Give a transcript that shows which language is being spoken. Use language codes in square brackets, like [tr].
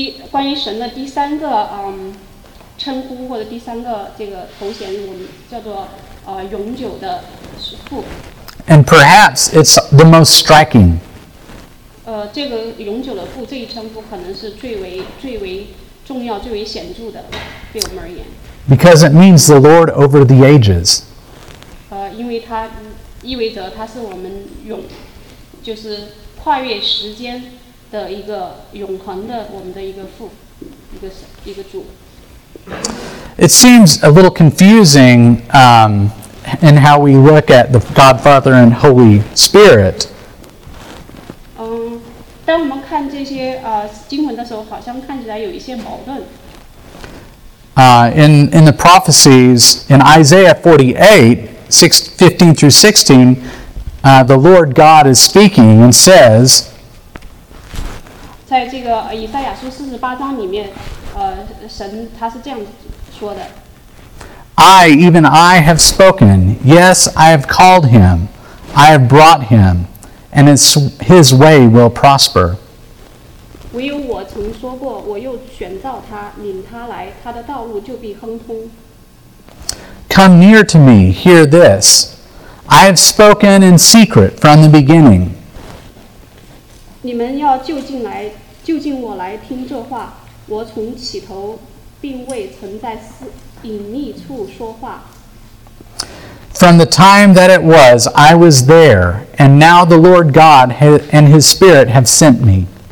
[zh] 关于神的第三个称呼或者第三个这个头衔，我们叫做永久的父。 [en] And perhaps it's the most striking. [zh] 这个永久的父这一称呼可能是最为重要、最为显著的，对我们而言。 [en] Because it means the Lord over the ages. [zh] 因为它意味着它是我们永，就是跨越时间的一个永恒的我们的一个父，一个主。 [en] It seems a little confusing in how we look at the God, Father, and Holy Spirit. [zh] 当我们看这些经文的时候，好像看起来有一些矛盾。 [en] In the prophecies in Isaiah 48:15-16, the Lord God is speaking and says, [zh] 在这个以赛亚书四十八章里面，神他是这样说的。 [en] I have spoken. Yes, I have called him. I have brought him, and his way will prosper. [zh] 唯有我曾说过，我又选召他，领他来，他的道路就必亨通。 [en] Come near to me, hear this. I have spoken in secret from the beginning. [zh] 你们要就近我来听这话，我从起头并未曾在隐秘处说话。 [en] From the time that it was, I was there, and now the Lord God and His Spirit have sent me.